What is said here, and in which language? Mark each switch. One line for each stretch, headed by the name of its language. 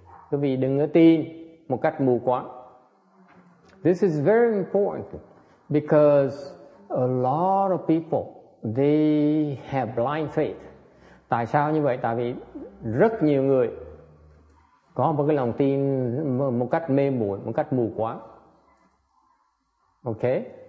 Vietnamese: Quý vị đừng có tin một cách mù quáng.
English: This is very important because a lot of people, they have blind faith.
Vietnamese: Tại sao như vậy? Tại vì rất nhiều người có một cái lòng tin một cách mê muội, một cách mù quáng. Okay?